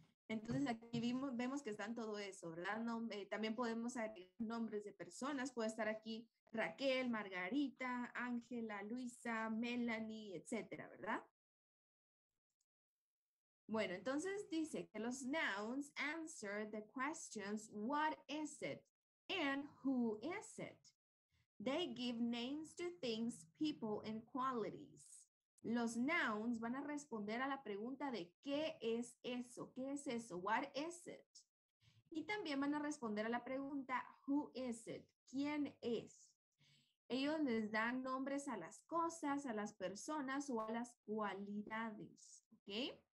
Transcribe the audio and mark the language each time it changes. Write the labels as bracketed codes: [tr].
[es] Entonces aquí vemos que están todo eso, ¿verdad? También podemos agregar nombres de personas. Puede estar aquí Raquel, Margarita, Ángela, Luisa, Melanie, etcétera, ¿verdad? Bueno, entonces dice que los [en] nouns answer the questions, what is it and who is it? They give names to things, people and qualities. [es] Los nouns van a responder a la pregunta de ¿qué es eso? ¿Qué es eso? [en] What is it? [es] Y también van a responder a la pregunta [en] who is it? [es] ¿Quién es? Ellos les dan nombres a las cosas, a las personas o a las cualidades, ¿ok?